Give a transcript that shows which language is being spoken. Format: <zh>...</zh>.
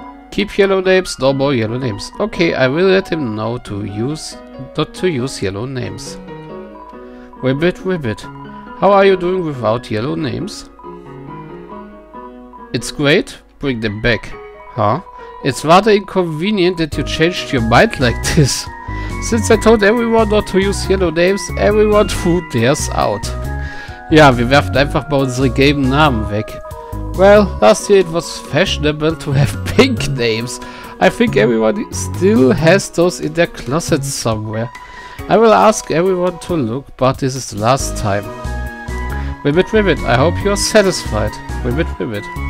<en>Keep yellow names, no more yellow names. Okay, I will let him know not to use yellow names. Ribbit, ribbit. How are you doing without yellow names? It's great. Bring them back. Huh? It's rather inconvenient that you changed your mind like this. Since I told everyone not to use yellow names, everyone threw theirs out.</en> <de>Ja, wir werfen einfach mal unsere gelben Namen weg.</de> <en>Well, last year it was fashionable to have pink names. I think everyone still has those in their closet somewhere. I will ask everyone to look, but this is the last time. Ribbit, ribbit, I hope you are satisfied. Ribbit, ribbit.</en>